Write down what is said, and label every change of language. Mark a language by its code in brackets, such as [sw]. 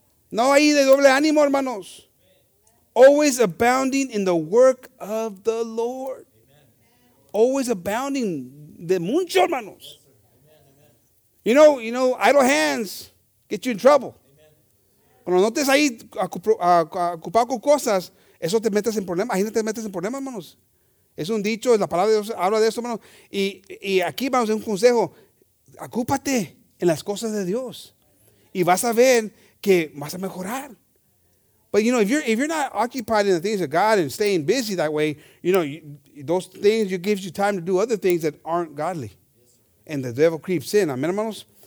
[es] No hay de doble ánimo, hermanos. [en] Always abounding in the work of the Lord. Always abounding [es] de mucho, hermanos. [en] You know, idle hands get you in trouble. [es] Cuando no estés ahí ocupado con cosas, eso te metes en problemas. Ahí no te metes en problemas, hermanos. Es un dicho, la palabra de Dios habla de eso, hermanos. Y aquí vamos a un consejo. Ocúpate en las cosas de Dios. Y vas a ver que vas a mejorar. [en] But you know, if you're not occupied in the things of God and staying busy that way, you know, those things gives you time to do other things that aren't godly. And the devil creeps in. [es] Amen, hermanos.